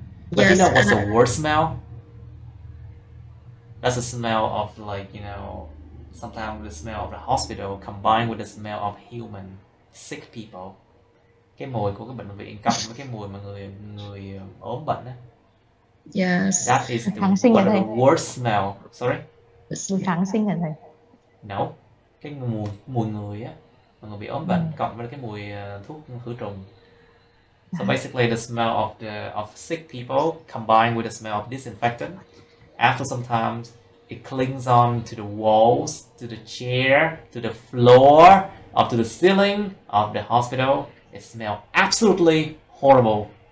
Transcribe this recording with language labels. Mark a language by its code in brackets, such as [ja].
[en] But yes, you know what's the worst smell? That's the smell of, like, you know, sometimes the smell of the hospital combined with the smell of human, sick people. [vi] Cái mùi của cái bệnh viện cộng với cái mùi mà người ốm bệnh á. [en] Yes. That is the worst smell. Sorry? [vi] Mùi kháng sinh hả thầy? [en] No. [vi] Cái mùi người á, mà người bị ốm bệnh cộng với cái mùi thuốc khử trùng. [en] So basically, the smell of the of sick people combined with the smell of disinfectant, after some time, it clings on to the walls, to the chair, to the floor, up to the ceiling of the hospital. It smells absolutely horrible.